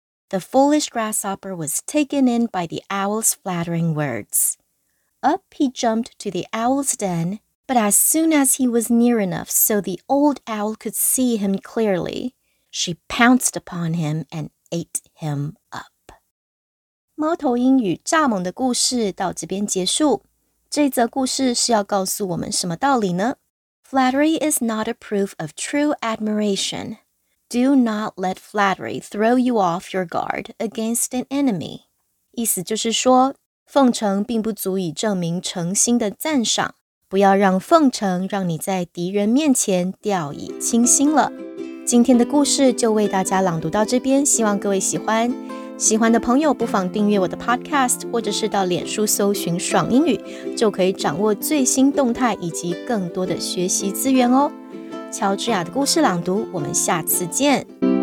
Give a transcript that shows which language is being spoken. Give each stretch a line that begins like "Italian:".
English: The foolish grasshopper was taken in by the owl's flattering words. Up he jumped to the owl's den, but as soon as he was near enough so the old owl could see him clearly, she pounced upon him and ate him up.
Chinese: 猫头鹰与蚱蜢的故事到这边结束。这则故事是要告诉我们什么道理呢？
English: Flattery is not a proof of true admiration. Do not let flattery throw you off your guard against an enemy.
Chinese: 意思就是说，奉承并不足以证明诚心的赞赏。不要让奉承让你在敌人面前掉以轻心了。今天的故事就为大家朗读到这边，希望各位喜欢。喜欢的朋友不妨订阅我的 podcast， 或者是到脸书搜寻爽英语，就可以掌握最新动态以及更多的学习资源哦。乔治亚的故事朗读，我们下次见。